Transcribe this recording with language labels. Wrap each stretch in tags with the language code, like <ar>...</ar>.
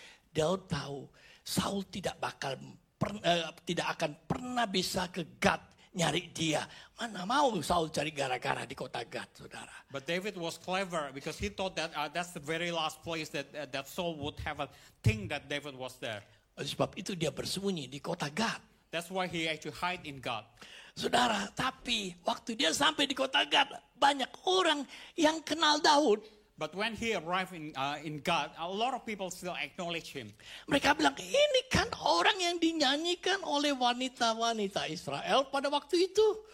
<id>Daud tahu Saul tidak akan pernah bisa ke Gat nyari dia. Mana mau Saul cari gara-gara di kota Gat, saudara.</id> <en>But David was clever because he thought that that's the very last place that Saul would have a thing that David was there.</en> <id>Oleh sebab itu dia bersembunyi di kota Gat.</id> <en>That's why he actually hide in Gat.</en> <id>Saudara, tapi waktu dia sampai di kota Gat, banyak orang yang kenal Daud.</id> <en>But when he arrived in Gat, a lot of people still acknowledge him.</en> <id>Mereka bilang, ini kan orang yang dinyanyikan oleh wanita-wanita Israel pada waktu itu.</id>